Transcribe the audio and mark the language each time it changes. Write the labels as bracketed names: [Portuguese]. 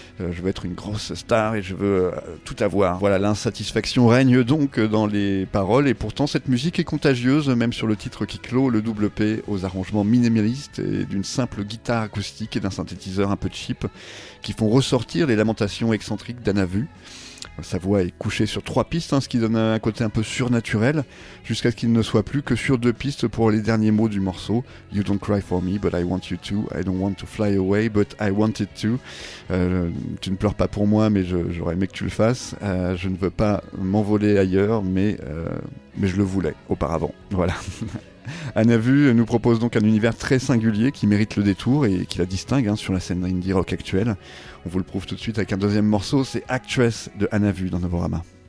[French] Je veux être une grosse star et je veux tout avoir. Voilà, l'insatisfaction règne donc dans les paroles et pourtant cette musique est contagieuse, même sur le titre qui clôt le double P aux arrangements minimalistes et d'une simple guitare acoustique et d'un synthétiseur un peu cheap qui font ressortir les lamentations excentriques d'Anna Vu. Sa voix est couchée sur 3 pistes, ce qui donne un côté un peu surnaturel, jusqu'à ce qu'il ne soit plus que sur 2 pistes pour les derniers mots du morceau. [English] You don't cry for me, but I want you to. I don't want to fly away, but I wanted to. [French] Tu ne pleures pas pour moi, mais j'aurais aimé que tu le fasses. Je ne veux pas m'envoler ailleurs, mais je le voulais auparavant. Voilà. Anna Vu nous propose donc un univers très singulier qui mérite le détour et qui la distingue sur la scène indie rock actuelle. On vous le prouve tout de suite avec un deuxième morceau, c'est Actress de Anna Vu dans Novorama.